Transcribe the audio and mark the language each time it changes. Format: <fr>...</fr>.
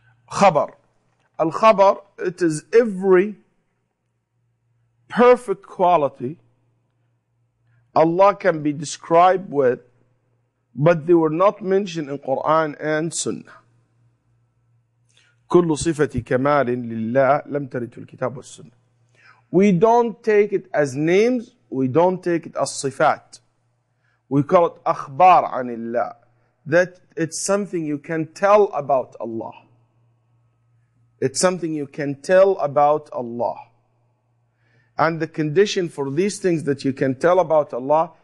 <en>Khabar. Al-khabar, it is every perfect quality Allah can be described with, but they were not mentioned in Quran and Sunnah.</en> <ar>كل صفة كمال لله لم ترد في الكتاب والسنة.</ar> <en>We don't take it as names, we don't take it as صفات. We call it akhbar</en> <ar>عن الله.</ar> <en>That it's something you can tell about Allah. It's something you can tell about Allah. And the condition for these things that you can tell about Allah</en>